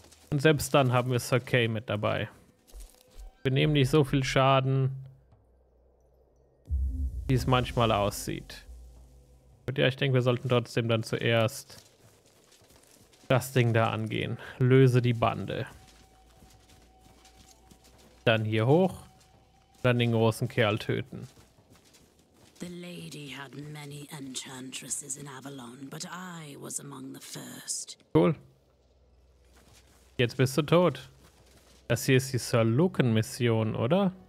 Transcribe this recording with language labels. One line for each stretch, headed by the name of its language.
German: Und selbst dann haben wir Sir Kay mit dabei. Wir nehmen nicht so viel Schaden, wie es manchmal aussieht. Und ja, ich denke, wir sollten trotzdem dann zuerst das Ding da angehen. Löse die Bande. Dann hier hoch, dann den großen Kerl töten.
English: The lady had many enchantresses in Avalon, but I was among the first. Cool.
German: Jetzt bist du tot. Das hier ist die Sir Lucan Mission, oder?